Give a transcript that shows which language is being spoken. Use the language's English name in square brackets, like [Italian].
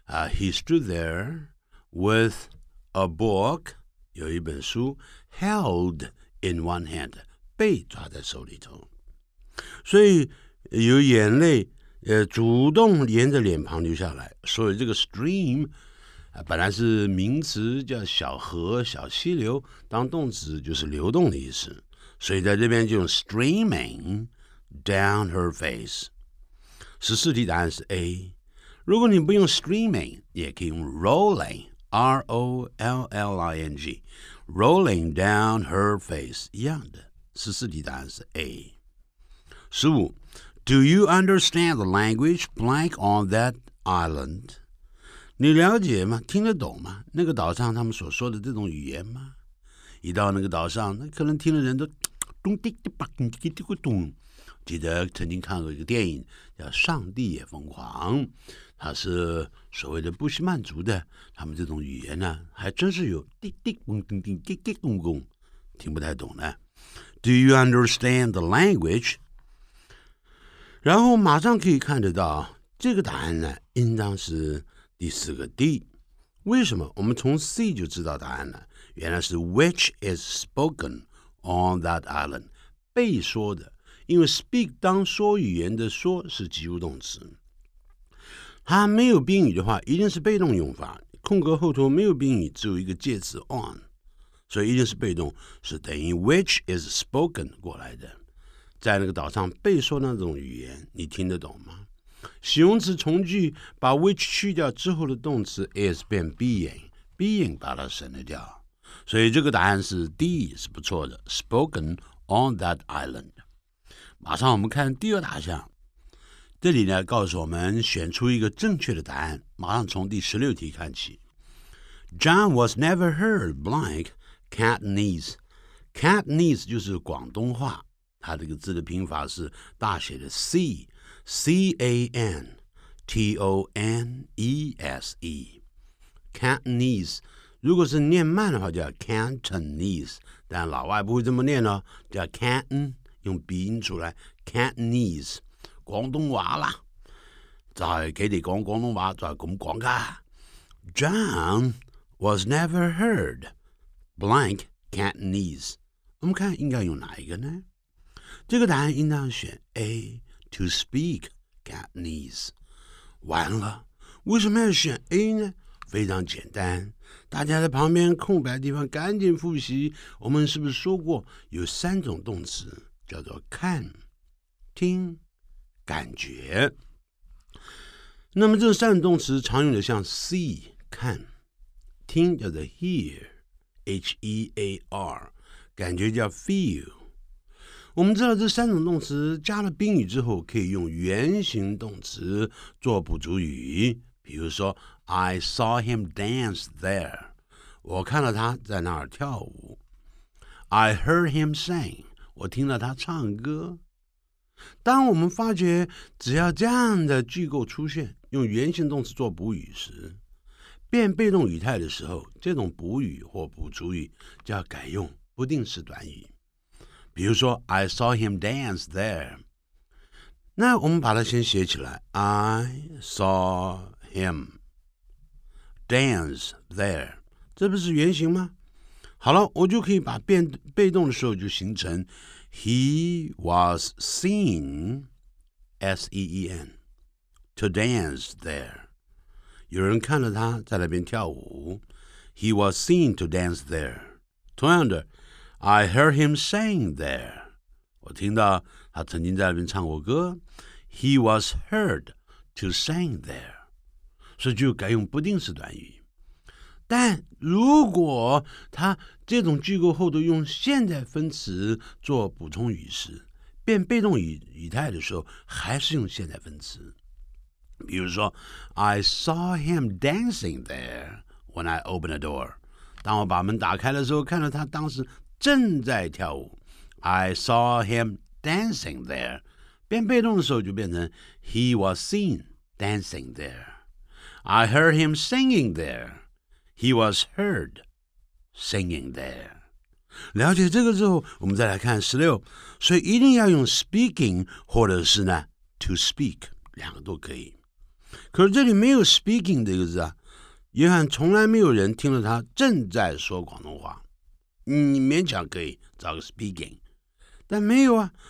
[English] He stood there with a book， [Chinese] 有一本书 ， [English] held in one hand， [Chinese] 被抓在手里头，所以有眼泪，主动沿着脸庞流下来。所以这个 stream、本来是名词，叫小河、小溪流，当动词就是流动的意思。所以在这边就用 [English] streaming down her face。 [Chinese] 14题答案是 A， 如果你不用 streaming 也可以用 rolling R-O-L-L-I-N-G， [English] rolling down her face [Chinese] 一样的。 14题答案是 A。15. [English] Do you understand the language blank on that island? [Chinese] 你了解吗？听得懂吗？那个岛上他们所说的这种语言吗？一到那个岛上，那可能听的人都咚滴滴吧滴滴滴咕咚。记得曾经看过一个电影叫《上帝也疯狂》，它是所谓的布希曼族的，他们这种语言呢，还真是有滴滴咚咚咚滴滴咚咚，听不太懂呢。 [English] Do you understand the language? [Chinese] 然后马上可以看得到，这个答案呢，应当是第四个 D。为什么？我们从 C 就知道答案了，原来是 [English] which is spoken on that island， [Chinese] 被说的。因为 speak 当说语言的说是及物动词，它没有宾语的话一定是被动用法，空格后头没有宾语，只有一个介词 on， 所以一定是被动，是等于 which is spoken 过来的。在那个岛上被说那种语言你听得懂吗？形容词从句把 which 去掉之后的动词 is 变 being 把它省了掉，所以这个答案是 D， 是不错的， [English] spoken on that island。 [Chinese] 马上我们看第二大项，这里呢告诉我们选出一个正确的答案。马上从第十六题看起。 [English] John was never heard blank Cantonese. [Chinese] Cantonese 就是广东话，它这个字的拼法是大写的 C C A N T O N E S E Cantonese。如果是念慢的话叫 Cantonese， 但老外不会这么念哦，叫 Canton。用鼻音出来 Cantonese， 广东话啦，在他们讲广东话在这么说的。 [English] John was never heard blank Cantonese， [Chinese] 我们看应该用哪一个呢？这个答案应当选 A， [English] to speak Cantonese。 [Chinese] 完了，为什么要选 A 呢？非常简单，大家在旁边空白的地方赶紧复习，我们是不是说过有三种动词叫做看、听、感觉。那么这三种动词常用的像 see 看，听叫做 hear H-E-A-R， 感觉叫 feel。我们知道这三种动词加了宾语之后可以用原形动词做补足语，比如说 [English] I saw him dance there， [Chinese] 我看到他在那儿跳舞。 [English] I heard him sing， [Chinese] 我听了他唱歌。当我们发觉只要这样的句构出现，用原形动词做补语时，变被动语态的时候，这种补语或补足语就要改用不定式短语。比如说 [English] I saw him dance there， [Chinese] 那我们把它先写起来， I saw him dance there， 这不是原形吗？好了，我就可以把被动的时候就形成 [English] He was seen S-E-E-N to dance there， [Chinese] 有人看着他在那边跳舞。 [English] He was seen to dance there。 [Chinese] 同样的 [English] I heard him sing there， [Chinese] 我听到他曾经在那边唱过歌。 [English] He was heard to sing there， [Chinese] 所以就改用不定式短语。但如果他这种句构后都用现在分词做补充语时，变被动 语态的时候还是用现在分词。比如说 [English] I saw him dancing there when I opened the door， [Chinese] 当我把门打开的时候看到他当时正在跳舞。 [English] I saw him dancing there， [Chinese] 变被动的时候就变成 [English] He was seen dancing there。 I heard him singing thereHe was heard singing there。 [Chinese] 了解这个之后我们再来看十六，所以一定要用 speaking 或者是呢 to speak， 两个都可以。可是这里没有 speaking 这个字啊，约翰从来没有人听了他正在说广东话，你勉强可以找个 speaking， 但没有啊。